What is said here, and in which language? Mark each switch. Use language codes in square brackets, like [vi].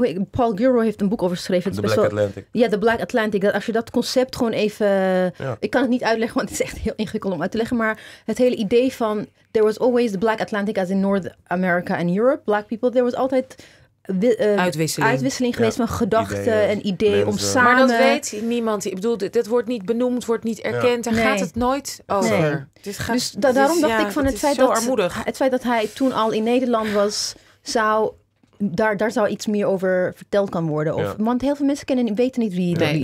[nl] Paul Gilroy heeft een boek over geschreven. [en] The Black Atlantic. [nl] Ja, The Black Atlantic. Als je dat concept gewoon even... Ja. Ik kan het niet uitleggen, want het is echt heel ingewikkeld om uit te leggen. Maar het hele idee van... [en] There was always the Black Atlantic, as in North America and Europe. Black people, there was altijd... [nl] Uitwisseling geweest van gedachten ideeën, en ideeën om samen... Maar dat weet niemand. Ik bedoel, dit wordt niet benoemd, wordt niet erkend. Ja. Daar gaat het nooit over. Nee. Daarom dacht ik van het feit, het feit dat hij toen al in Nederland was... Daar zou iets meer over verteld kan worden. Of, want heel veel mensen kennen en weten niet wie die